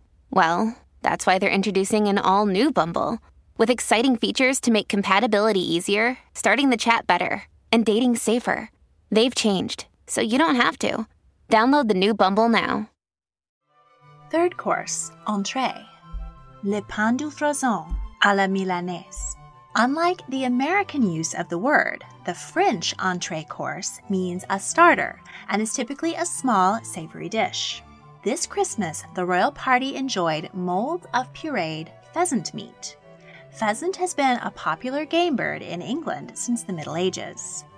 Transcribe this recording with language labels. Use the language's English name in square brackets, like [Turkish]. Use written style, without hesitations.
[English] Well, that's why they're introducing an all-new Bumble. With exciting features to make compatibility easier, starting the chat better, and dating safer. They've changed, so you don't have to. Download the new Bumble now. Third course, entrée. [French] Le pain du frison à la milanaise. [English] Unlike the American use of the word, the French entrée course means a starter and is typically a small, savory dish. This Christmas, the royal party enjoyed molds of pureed pheasant meat. Pheasant has been a popular game bird in England since the Middle Ages.